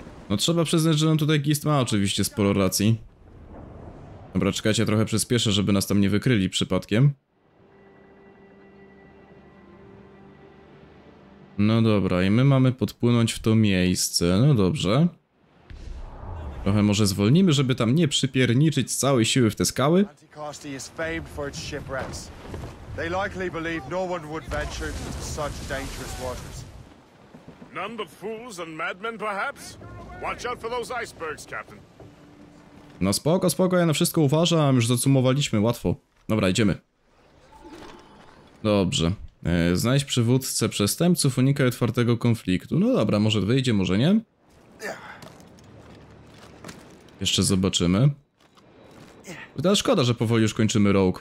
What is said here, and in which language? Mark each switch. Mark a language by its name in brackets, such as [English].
[Polish] No trzeba przyznać, że on tutaj Gist ma oczywiście sporo racji. Dobra, czekajcie, ja trochę przyspieszę, żeby nas tam nie wykryli przypadkiem. No dobra, i my mamy podpłynąć w to miejsce, no dobrze. Trochę może zwolnimy, żeby tam nie przypierniczyć z całej siły w te skały. [English] Anticosti jest famed for its shipwrecks. They likely believe no one would venture into such dangerous waters. None but fools and madmen perhaps? Watch out for those icebergs, Captain. [Polish] No spoko, spoko, ja na wszystko uważam, już zacumowaliśmy, łatwo. Dobra, idziemy. Dobrze. Znajdź przywódcę przestępców, unikaj otwartego konfliktu. No dobra, może wyjdzie, może nie. Jeszcze zobaczymy. Ale szkoda, że powoli już kończymy Rogue.